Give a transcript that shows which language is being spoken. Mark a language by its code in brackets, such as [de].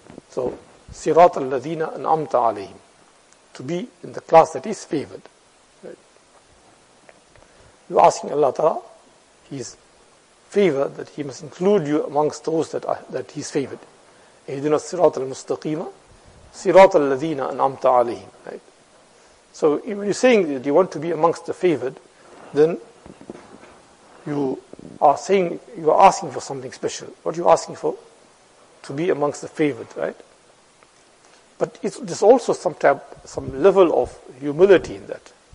[en] So [ar] صراط الذين أنعمت عليهم, [en] to be in the class that is favored. You're asking Allah Ta'ala His favor, that He must include you amongst those that He's favored. [ar] اهدنا الصراط المستقيم صراط الذين أنعمت عليهم. [en] So when you're saying that you want to be amongst the favored, then you are asking for something special. What are you asking for? To be amongst the favored, right? But there's also some level of humility in that.